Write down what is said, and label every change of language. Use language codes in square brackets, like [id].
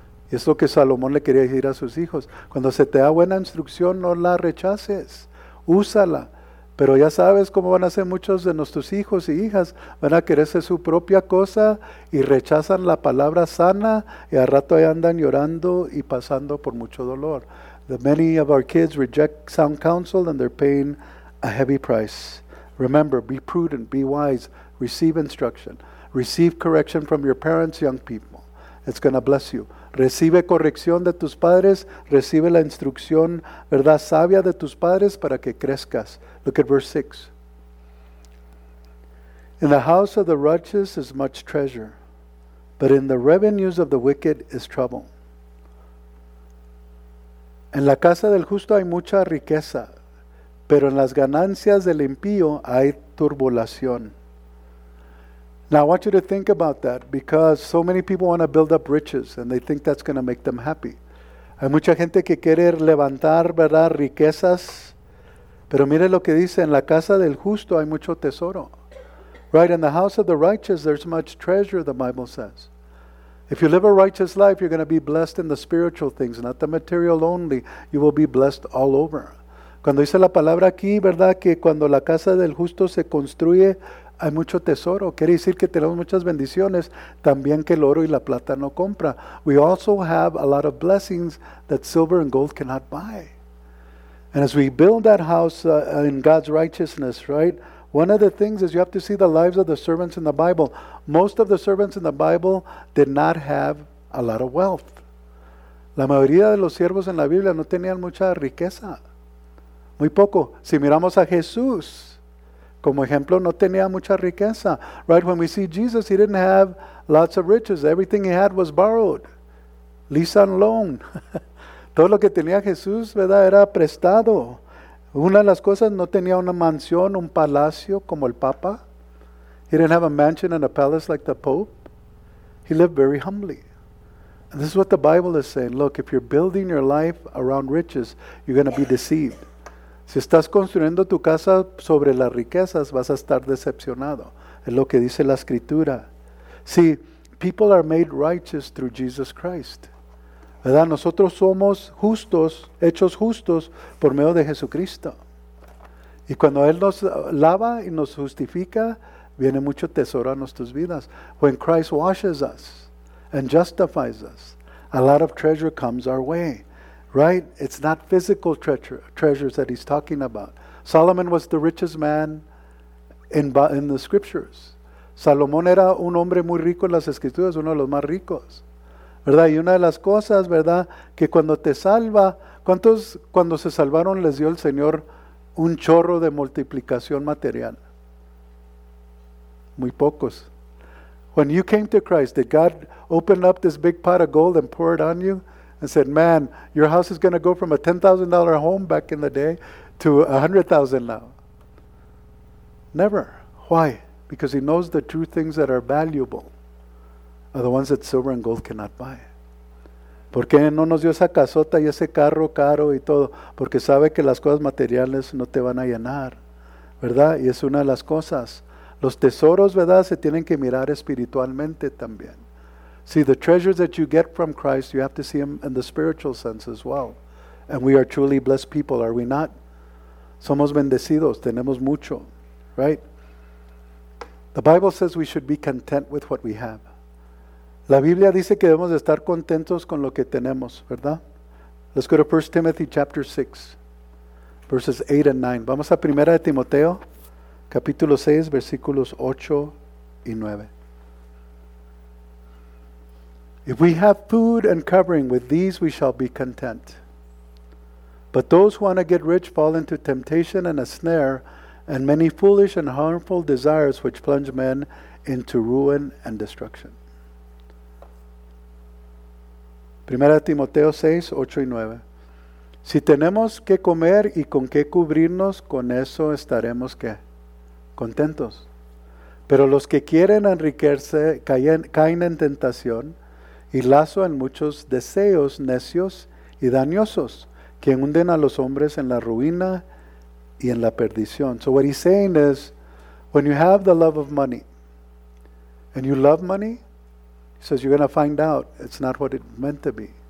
[es] Y es lo que Salomón le quería decir a sus hijos. Cuando se te da buena instrucción, no la rechaces. Úsala. Pero ya sabes cómo van a ser muchos de nuestros hijos y hijas. Van a querer ser su propia cosa y rechazan la palabra sana y al rato ahí andan llorando y pasando por mucho dolor. [en] The many of our kids reject sound counsel and they're paying a heavy price. Remember, be prudent, be wise, receive instruction. Receive correction from your parents, young people. It's going to bless you. [es] Recibe corrección de tus padres, recibe la instrucción, ¿verdad?, sabia de tus padres para que crezcas. [en] Look at verse 6. In the house of the righteous is much treasure, but in the revenues of the wicked is trouble. [es] En la casa del justo hay mucha riqueza, pero en las ganancias del impío hay turbulación. [en] Now I want you to think about that, because so many people want to build up riches and they think that's going to make them happy. [es] Hay mucha gente que quiere levantar, ¿verdad?, riquezas. Pero mire lo que dice, en la casa del justo hay mucho tesoro. [en] Right, in the house of the righteous there's much treasure, the Bible says. If you live a righteous life, you're going to be blessed in the spiritual things, not the material only. You will be blessed all over. [es] Cuando dice la palabra aquí, ¿verdad?, que cuando la casa del justo se construye, hay mucho tesoro. Quiere decir que tenemos muchas bendiciones, también que el oro y la plata no compra. [en] We also have a lot of blessings that silver and gold cannot buy. And as we build that house in God's righteousness, right? One of the things is you have to see the lives of the servants in the Bible. Most of the servants in the Bible did not have a lot of wealth. [es] La mayoría de los siervos en la Biblia no tenían mucha riqueza. Muy poco. Si miramos a Jesús, como ejemplo, no tenía mucha riqueza. [en] Right? When we see Jesus, he didn't have lots of riches. Everything he had was borrowed. Lease and loan. [es] Todo lo que tenía Jesús, ¿verdad?, era prestado. Una de las cosas, no tenía una mansión, un palacio como el Papa. [en] He didn't have a mansion and a palace like the Pope. He lived very humbly. And this is what the Bible is saying. Look, if you're building your life around riches, you're going to be deceived. [es] Si estás construyendo tu casa sobre las riquezas, vas a estar decepcionado. Es lo que dice la Escritura. [en] See, people are made righteous through Jesus Christ. [es] ¿Verdad? Nosotros somos justos, hechos justos por medio de Jesucristo. Y cuando Él nos lava y nos justifica, viene mucho tesoro a nuestras vidas. [en] When Christ washes us and justifies us, a lot of treasure comes our way. Right? It's not physical treasures that he's talking about. Solomon was the richest man in the scriptures. [es] Salomón era un hombre muy rico en las escrituras, uno de los más ricos. ¿Verdad? Y una de las cosas, ¿verdad?, que cuando te salva, ¿cuántos cuando se salvaron les dio el Señor un chorro de multiplicación material? Muy pocos. [en] When you came to Christ, did God open up this big pot of gold and pour it on you and said, man, your house is going to go from a $10,000 home back in the day to $100,000 now? Never. Why? Because he knows the true things that are valuable are the ones that silver and gold cannot buy. [es] ¿Por qué no nos dio esa casota y ese carro caro y todo? Porque sabe que las cosas materiales no te van a llenar, ¿verdad? Y es una de las cosas. Los tesoros, ¿verdad? Se tienen que mirar espiritualmente también. [en] See, the treasures that you get from Christ, you have to see them in the spiritual sense as well. And we are truly blessed people, are we not? [es] Somos bendecidos, tenemos mucho, [en] right? The Bible says we should be content with what we have. [es] La Biblia dice que debemos de estar contentos con lo que tenemos, ¿verdad? [en] Let's go to 1 Timothy chapter 6, verses 8 and 9. [es] Vamos a 1 Timoteo, capítulo 6, versículos 8 y 9. [en] If we have food and covering, with these we shall be content. But those who want to get rich fall into temptation and a snare, and many foolish and harmful desires which plunge men into ruin and destruction. [es] 1 Timoteo 6, 8 y 9. Si tenemos que comer y con qué cubrirnos, con eso estaremos, ¿qué? Contentos. Pero los que quieren enriquecerse caen en tentación y lazo en muchos deseos necios y dañosos que hunden a los hombres en la ruina y en la perdición. [en] So what he's saying is, when you have the love of money, and you love money, he says, you're going to find out it's not what it's meant to be.